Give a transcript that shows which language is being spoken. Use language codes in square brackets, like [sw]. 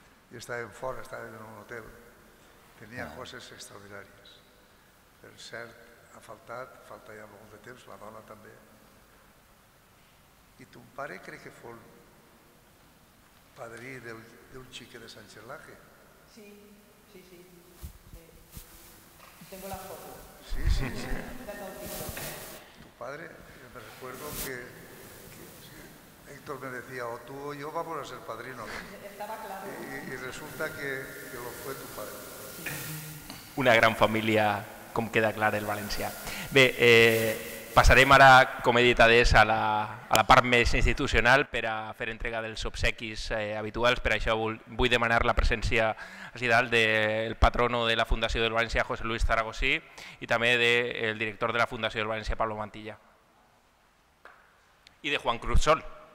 [es] Y estaba en fora, estaba en un hotel. Tenía cosas extraordinarias. [ca] Per cert, ha faltat, falta ya molt de temps, la dona també. I ton pare crec que fou padrí d'un xique de Sánchez Laje. Sí, sí, sí. [es] Tengo la foto. Sí, sí, sí. Padre, yo me recuerdo que Héctor me decía, o tú o yo vamos a ser padrinos. Estaba claro. Y resulta que lo fue tu padre. [ca] Una gran familia, com queda clar el valencià. Bé, passarem ara, com he dit adés, a la part més institucional per a fer entrega dels obsequis habituals. Per això vull demanar la presència així dalt del patrono de la Fundació del València, José Luis Zaragosí, i també del director de la Fundació del València, Pablo Mantilla. I de Juan Cruz Sol.